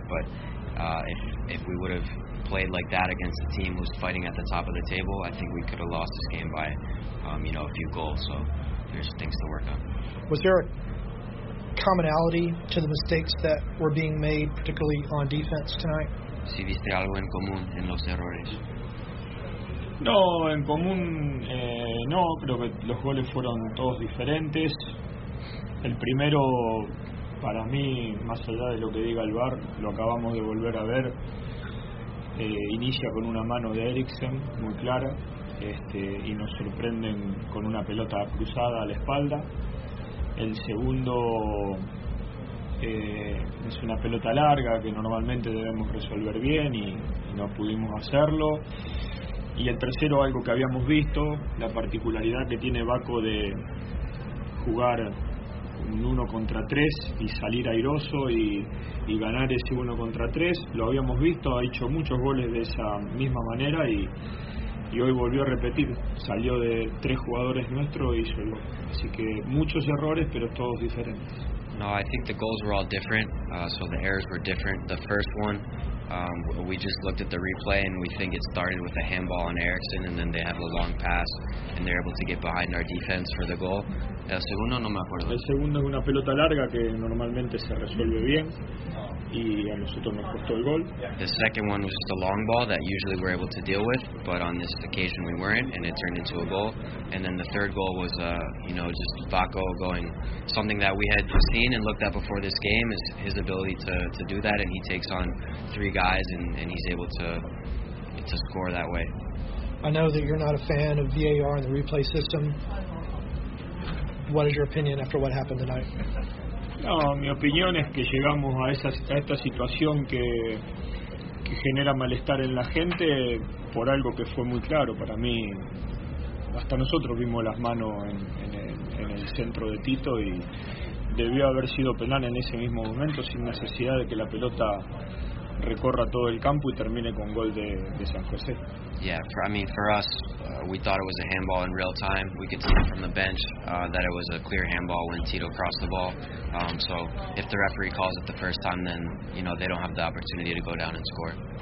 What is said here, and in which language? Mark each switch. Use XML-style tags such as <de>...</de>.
<en>But if we would have played like that against a team who's fighting at the top of the table, I think we could have lost this game by, you know, a few goals. So there's things to work on. Was there a commonality to the mistakes that were being made, particularly on defense tonight?</en> <es>¿Sí viste algo en común en los errores? No, en común no. Creo que los goles fueron todos diferentes. El primero, para mí, más allá de lo que diga el VAR, lo acabamos de volver a ver. Inicia con una mano de Eriksen muy clara, y nos sorprenden con una pelota cruzada a la espalda. El segundo es una pelota larga que normalmente debemos resolver bien y no pudimos hacerlo. Y el tercero, algo que habíamos visto, la particularidad que tiene Baco de jugar un 1-3 y salir airoso y ganar ese 1-3, lo habíamos visto, ha hecho muchos goles de esa misma manera y hoy volvió a repetir, salió de tres jugadores nuestros y hizo el gol. Así que muchos errores, pero todos diferentes.</es> <en>No, I think the goals were all different, so the errors were different. The first one, we just looked at the replay and we think it started with a handball on Eriksen, and then they have a long pass and they're able to get behind our defense for the goal.</en> <es>El segundo no me acuerdo. El segundo es una pelota larga que normalmente se resuelve bien. y a nosotros nos costó el gol.</es> <en>The second one was just a long ball that usually we're able to deal with, but on this occasion we weren't, and it turned into a goal. And then the third goal was, just Vaco going something that we had seen and looked at before this game, is his ability to do that, and he takes on three guys and he's able to score that way. I know that you're not a fan of VAR and the replay system. What is your opinion after what happened tonight?</en> <es>No, mi opinión es que llegamos a esta situación que genera malestar en la gente por algo que fue muy claro para mí. Hasta nosotros vimos las manos en el centro de Tito y debió haber sido penal en ese mismo momento sin necesidad de que la pelota recorra todo el campo y termine con gol de San José.</es> <en>Yeah, for us, we thought it was a handball in real time. We could see from the bench that it was a clear handball when Tito crossed the ball. So if the referee calls it the first time, then, they don't have the opportunity to go down and score.</en>